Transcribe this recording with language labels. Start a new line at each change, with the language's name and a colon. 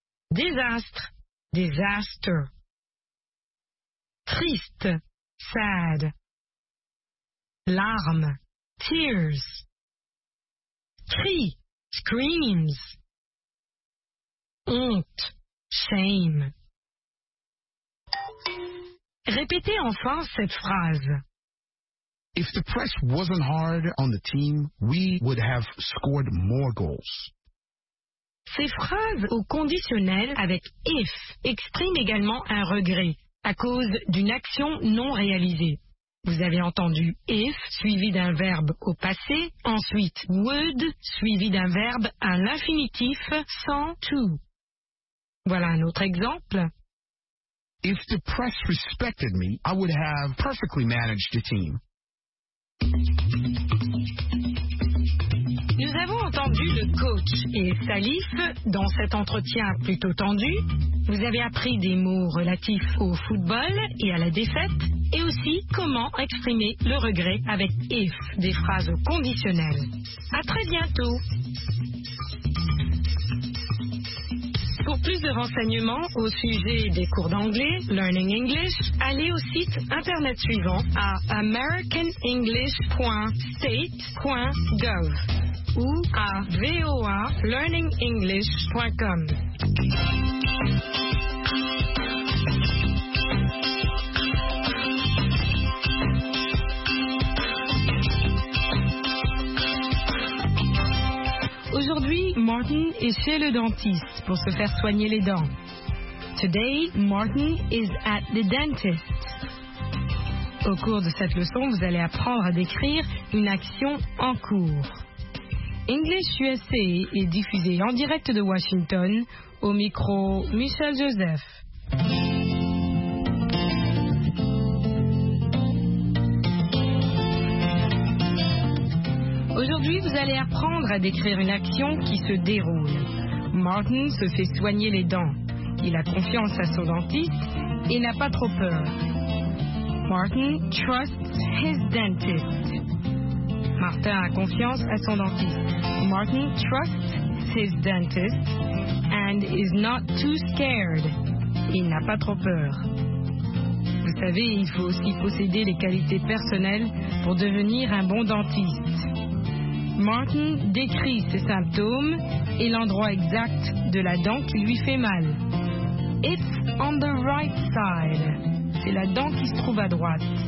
French: Désastre. Disaster. Triste. Sad. Larmes. Tears. Cri. Screams. Honte. Shame. Répétez enfin cette phrase.
English: If the press wasn't hard on the team, we would have scored more goals.
French: Ces phrases au conditionnel avec if expriment également un regret à cause d'une action non réalisée. Vous avez entendu if suivi d'un verbe au passé, ensuite would suivi d'un verbe à l'infinitif sans to. Voilà un autre exemple.
English: If the press respected me, I would have perfectly managed the team.
French: Nous avons entendu le coach et Salif dans cet entretien plutôt tendu. Vous avez appris des mots relatifs au football et à la défaite, et aussi comment exprimer le regret avec if, des phrases conditionnelles. À très bientôt. Pour plus de renseignements au sujet des cours d'anglais, Learning English, allez au site internet suivant à americanenglish.state.gov ou à voalearningenglish.com. Aujourd'hui, Martin est chez le dentiste pour se faire soigner les dents.
English: Today, Martin is at the dentist.
French: Au cours de cette leçon, vous allez apprendre à décrire une action en cours. English USA est diffusé en direct de Washington au micro Michel Joseph. Aujourd'hui, vous allez apprendre à décrire une action qui se déroule. Martin se fait soigner les dents. Il a confiance à son dentiste et n'a pas trop peur.
English: Martin trusts his dentist.
French: Martin a confiance à son dentiste.
English: Martin trusts his dentist and is not too scared.
French: Il n'a pas trop peur. Vous savez, il faut aussi posséder les qualités personnelles pour devenir un bon dentiste. Martin décrit ses symptômes et l'endroit exact de la dent qui lui fait mal.
English: It's on the right side.
French: C'est la dent qui se trouve à droite.